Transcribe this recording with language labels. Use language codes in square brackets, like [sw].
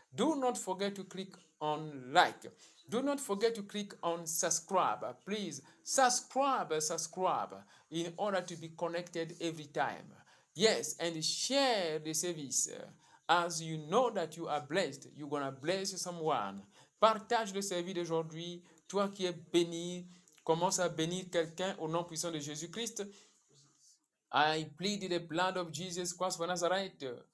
[en] Do not forget to click on like. Do not forget to click on subscribe. Please, subscribe in order to be connected every time. Yes, and share the service. As you know that you are blessed, you're going to bless someone. [fr] Partage le service d'aujourd'hui. Toi qui es béni, commence à bénir quelqu'un au nom puissant de Jésus-Christ. [en] I plead the blood of Jesus Christ for Nazareth.